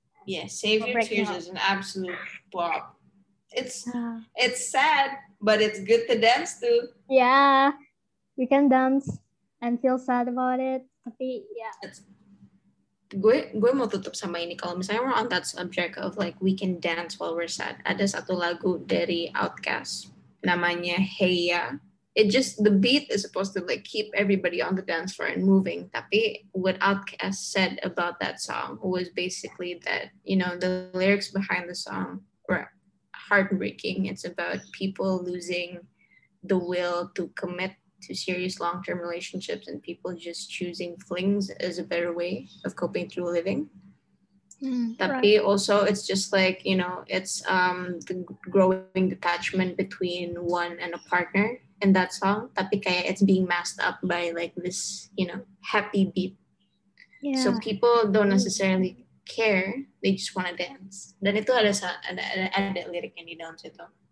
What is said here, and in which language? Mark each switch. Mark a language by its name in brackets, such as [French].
[English] Yeah, Save Your Tears is an absolute bop. It's sad, but it's good to dance to. Yeah, we can dance and feel sad about it. Tapi, yeah. [Indonesian] Gue mau tutup sama ini. Kalau misalnya [English] we're on that subject of like, we can dance while we're sad. [Indonesian] Ada satu lagu dari Outkast. Namanya Heya. [English] It just, the beat is supposed to like keep everybody on the dance floor and moving. Tapi what Outkast said about that song was basically that, you know, the lyrics behind the song were heartbreaking. It's about people losing the will to commit to serious long-term relationships and people just choosing flings as a better way of coping through living. Tapi right. Also, it's just like, you know, it's the growing detachment between one and a partner in that song. Tapi kayak it's being masked up by like this, you know, happy beat. Yeah. So people don't necessarily care. They just want to dance. [Indonesian] Dan itu ada lirik yang di dalam situ.